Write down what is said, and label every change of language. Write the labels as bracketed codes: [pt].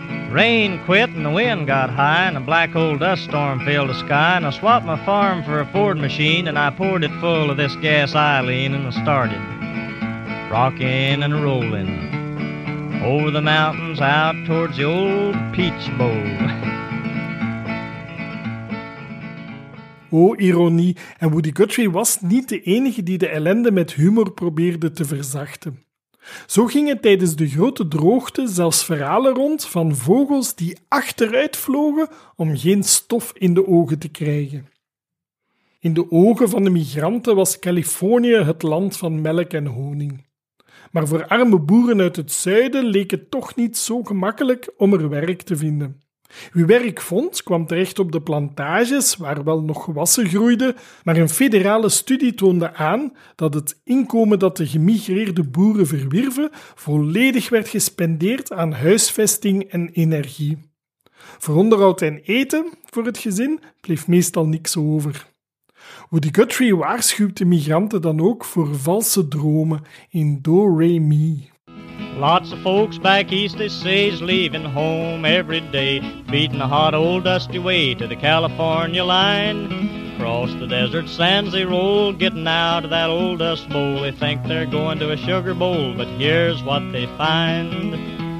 [en] Rain quit and the wind got high and a black old dust storm filled the sky. And I swapped my farm for a Ford machine and I poured it full of this gas Eileen. And I started rocking and rolling over the mountains out towards the old Peach Bowl. [nl] Oh, ironie. En Woody Guthrie was niet de enige die de ellende met humor probeerde te verzachten. Zo gingen tijdens de grote droogte zelfs verhalen rond van vogels die achteruit vlogen om geen stof in de ogen te krijgen. In de ogen van de migranten was Californië het land van melk en honing. Maar voor arme boeren uit het zuiden leek het toch niet zo gemakkelijk om er werk te vinden. Wie werk vond, kwam terecht op de plantages waar wel nog gewassen groeiden, maar een federale studie toonde aan dat het inkomen dat de gemigreerde boeren verwierven volledig werd gespendeerd aan huisvesting en energie. Voor onderhoud en eten voor het gezin bleef meestal niks over. Woody Guthrie waarschuwt de migranten dan ook voor valse dromen in Do Re Mi. [en] Lots of folks back east, they say, is leaving home every day, beating a hot old dusty way to the California line. Across the desert sands they roll, getting out of that old dust bowl. They think they're going to a sugar bowl, but here's what they find.